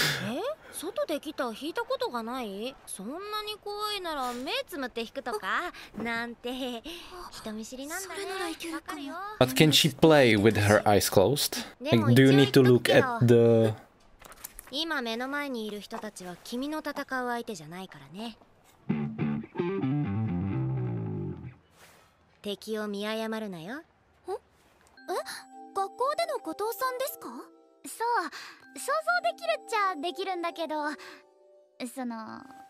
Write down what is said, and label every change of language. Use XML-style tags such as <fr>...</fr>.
<ja>え、外でギター弾いたことがない？そんなに怖いなら目つむって弾くとかなんて。人見知りなんだね。それならいけるかも。</ja> <en>But can she play with her eyes closed? Like, do you need to look at the...</en> <ja>今目の前にいる人たちは君の戦う相手じゃないからね。敵を見誤るなよ。え、学校での後藤さんですか？そう、想像できるっちゃできるんだけど、その</ja>